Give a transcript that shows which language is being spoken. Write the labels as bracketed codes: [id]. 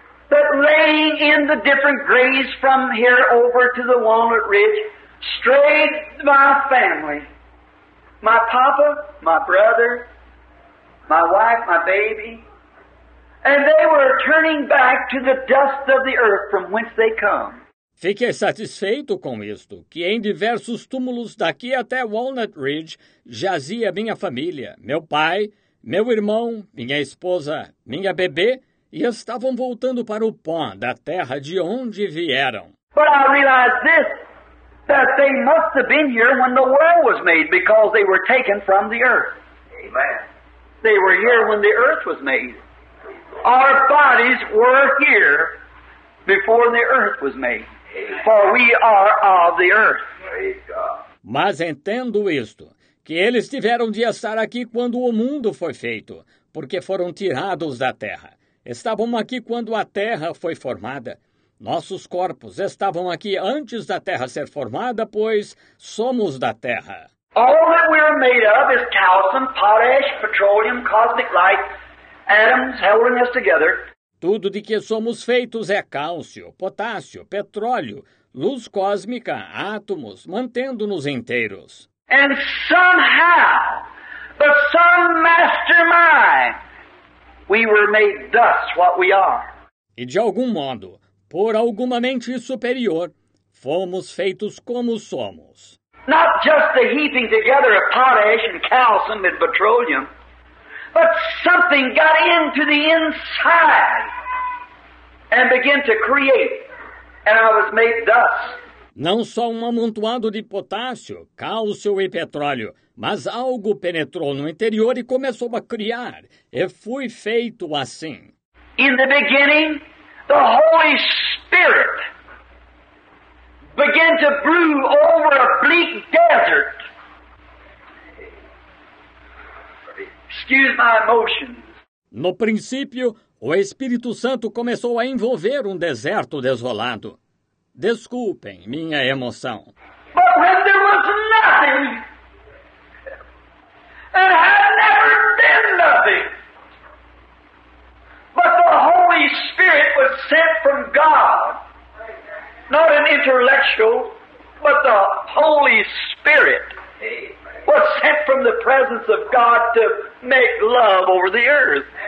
[en] That laying in the different graves from here over to the Walnut Ridge, straight my family, my papa, my brother, my wife, my baby, and they were turning back to the dust of the earth from whence they come. [pt] Fiquei satisfeito com isto, que em diversos túmulos daqui até Walnut Ridge jazia minha família, meu pai, meu irmão, minha esposa, minha bebê, e estavam voltando para o pó da terra de onde vieram. [en] But I realized this, that they must have been here when the world was made, because they were taken from the earth. Amen. They were here when the earth was made. Our bodies were here before the earth was made. For we are of the earth. [pt] Mas entendo isto, que eles tiveram de estar aqui quando o mundo foi feito, porque foram tirados da terra. Estavam aqui quando a terra foi formada. Nossos corpos estavam aqui antes da terra ser formada, pois somos da terra. [en] All that we are made of is calcium, potash, petroleum, cosmic light, atoms holding us together. [pt] Tudo de que somos feitos é cálcio, potássio, petróleo, luz cósmica, átomos, mantendo-nos inteiros. [en] And somehow, but some mastermind, we were made thus what we are. [pt] E de algum modo, por alguma mente superior, fomos feitos como somos. [en] Not just the heaping together of potash and calcium and petroleum, but something got into the inside and began to create, and I was made thus. [pt] Não só amontoado de potássio, cálcio e petróleo, mas algo penetrou no interior e começou a criar, e fui feito assim. [en] In the beginning, the Holy Spirit began to brew over a bleak desert. Excuse my emotions. [pt] No princípio, o Espírito Santo começou a envolver um deserto desolado. Desculpem minha emoção. [en] But when there was nothing, and had never been nothing, but the Holy Spirit was sent from God, not an intellectual, but the Holy Spirit was sent from the presence of God to make love over the earth.